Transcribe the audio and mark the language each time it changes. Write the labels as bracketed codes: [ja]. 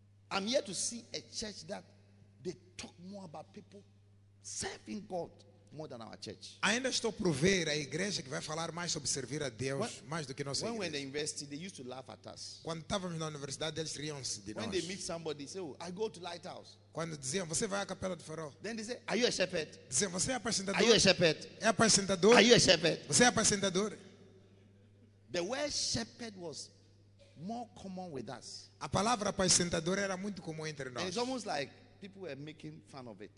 [en] I'm here to see a church that they talk more about people serving God more than our church. [pt] Ainda estou por ver a igreja que vai falar mais sobre servir a Deus mais do que nossa igreja. [en] When we were in university, they used to laugh at us. [pt] Quando estávamos na universidade, eles riam-se de nós. [en] When they meet somebody, they say, "I go to Lighthouse." [pt] Quando diziam, "Você vai à Capela do Farol?" [en] Then they say, "Are you a shepherd?" [pt] Diziam, "Você é apacentador?" [en] Are you a shepherd? [pt] É apacentador? [en] Are you a shepherd? [pt] Você é apacentador? [en] The word shepherd was more common with us. [pt] A palavra apacentador era muito comum entre nós. [en] And it's almost like people were making fun of it.